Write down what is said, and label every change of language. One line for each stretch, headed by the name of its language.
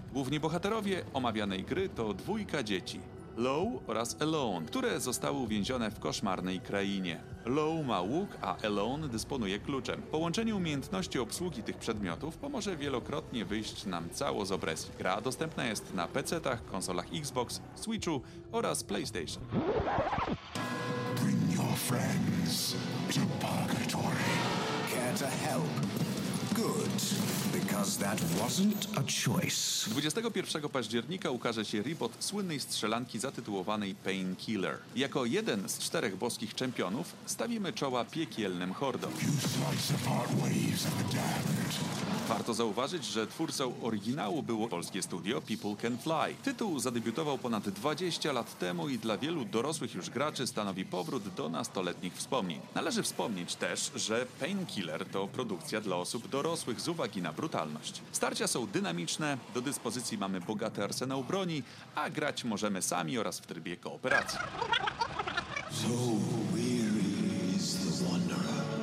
Polish: Główni bohaterowie omawianej gry to dwójka dzieci. Low oraz Alone, które zostały uwięzione w koszmarnej krainie. Low ma łuk, a Alone dysponuje kluczem. Połączenie umiejętności obsługi tych przedmiotów pomoże wielokrotnie wyjść nam cało z opresji. Gra dostępna jest na PC-tach, konsolach Xbox, Switchu oraz PlayStation.
English: Bring your friends to purgatory. Care to help? Good, because that wasn't a choice.
Polish: 21 października ukaże się reboot słynnej strzelanki zatytułowanej Painkiller. Jako jeden z czterech boskich czempionów stawimy czoła piekielnym hordom. Warto zauważyć, że twórcą oryginału było polskie studio People Can Fly. Tytuł zadebiutował ponad 20 lat temu i dla wielu dorosłych już graczy stanowi powrót do nastoletnich wspomnień. Należy wspomnieć też, że Painkiller to produkcja dla osób dorosłych z uwagi na brutalność. Starcia są dynamiczne, do dyspozycji mamy bogaty arsenał broni, a grać możemy sami oraz w trybie kooperacji.
English: So weary is the wanderer.